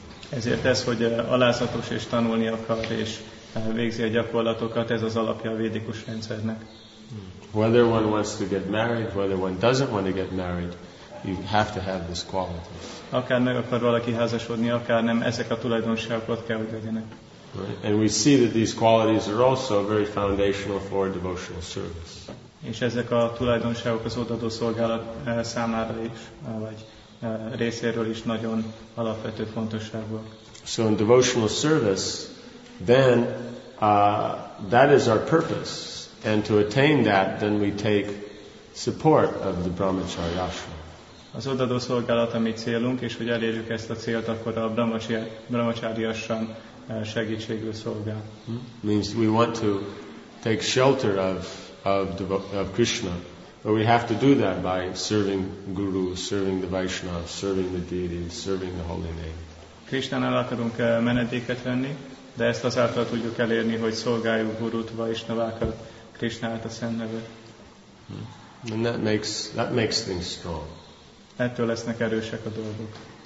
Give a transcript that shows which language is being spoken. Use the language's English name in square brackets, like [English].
[Hungarian] Ezért ez, hogy alázatos és tanulni akar, és végzi a gyakorlatokat, ez az alapja a védikus rendszernek. [English] Whether one wants to get married, whether one doesn't want to get married, you have to have this quality. [Hungarian] Akár meg akar valaki házasodni, akár nem, ezek a tulajdonságokat kell, hogy legyenek. [English] Right. And we see that these qualities are also very foundational for devotional service. [Hungarian] És ezek a tulajdonságok az odaadó szolgálat számára is, vagy részéről is nagyon alapvető fontosságúak. [English] So in devotional service, then that is our purpose. And to attain that, then we take support of the brahmachari ashram. [Hungarian] Az odaadó szolgálat a mi célunk, és hogy elérjük ezt a célt, akkor a brahmachari ashram segítségül szolgál. [English] Means we want to take shelter of Krishna, but we have to do that by serving Guru, serving the Vaishnav, serving the deity, serving the holy name. [Hungarian] Krishnánál akarunk menedéket venni, de ezt azáltal tudjuk elérni, hogy szolgáljuk Gurut, Vaishnavákat, Krishnát, a Szent Nevet. [English] And that makes things strong. [Hungarian] Ettől lesznek erősek a dolgok.